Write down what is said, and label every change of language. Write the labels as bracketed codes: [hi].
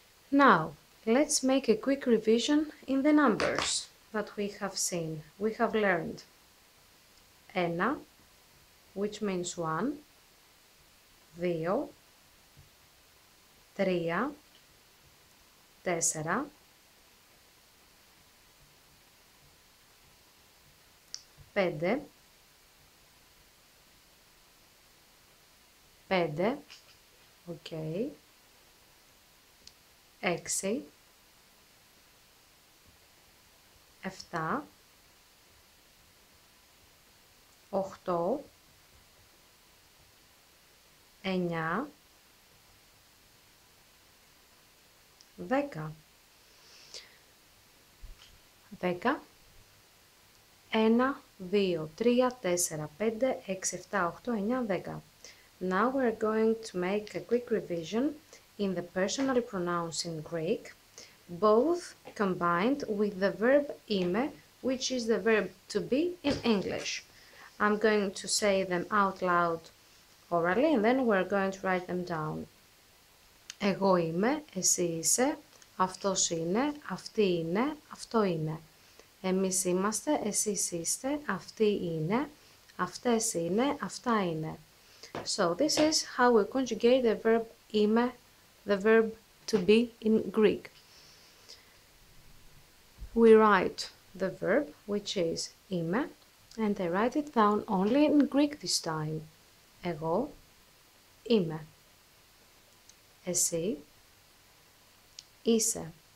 [en] Now, let's make a quick revision in the numbers that we have seen, we have learned. [el] Ένα, [en] which means one, [el] δύο, τρία, τέσσερα, πέντε, πέντε, ok, έξι, εφτά, οχτώ, εννιά, δέκα, δέκα, ένα, δύο, τρία, τέσσερα, πέντε, έξι, εφτά, οχτώ, εννιά, δέκα. [en] Now we're going to make a quick revision in the personal pronouns in Greek, both combined with the verb είμαι, which is the verb to be in English. I'm going to say them out loud orally and then we're going to write them down. [el] Εγώ είμαι, εσύ είσαι, αυτός είναι, αυτή είναι, αυτό είναι. Εμείς είμαστε, εσείς είστε, αυτοί είναι, αυτές είναι, αυτά είναι. [en] So this is how we conjugate the verb είμαι, the verb to be in Greek. We write the verb, which is είμαι, and I write it down only in Greek this time. [el] Εγώ είμαι. Εσύ είσαι.